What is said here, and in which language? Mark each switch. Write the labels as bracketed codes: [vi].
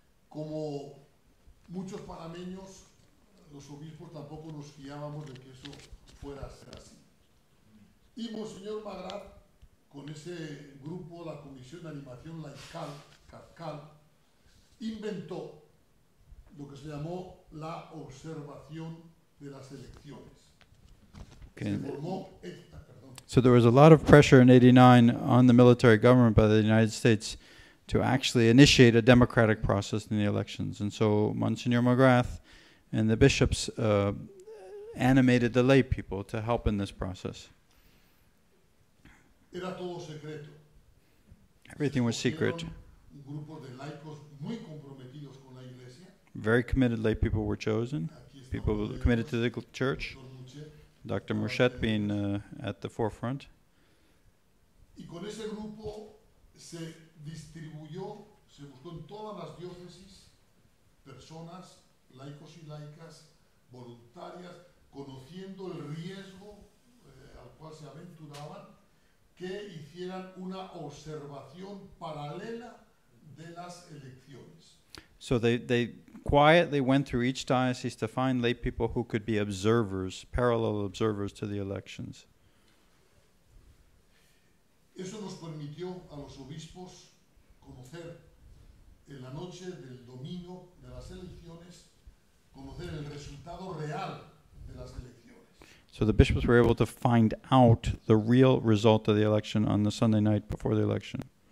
[es] Como muchos panameños, los obispos tampoco nos fiábamos de que eso fuera a ser así. Y Monseñor McGrath, con ese grupo, la Comisión de Animación Laical, CAFCAL, inventó lo que se llamó la observación de las elecciones. Okay. Se formó esta, perdón. [en] So there was a lot of pressure in 89 on the military government by the United States to actually initiate a democratic process in the elections. And so Monseñor McGrath and the bishops animated the lay people to help in this process. [es] Era todo secreto. [en] Everything was secret. [es] Un grupo de laicos muy comprometidos con la iglesia. [en] Very committed lay people were chosen, people committed to the church, Dr. Murchet being at the forefront. [es] Y con ese grupo se distribuyó, se buscó en todas las diócesis personas, laicos y laicas, voluntarias, conociendo el riesgo al cual se aventuraban, que hicieran una observación paralela de las elecciones. [en] So they quietly went through each diocese to find lay people who could be observers, parallel observers to the elections. [es] Eso nos permitió a los obispos conocer en la noche del domingo de las elecciones conocer el resultado real de las elecciones. [en] So the bishops were able to find out the real result of the election on the Sunday night before the election.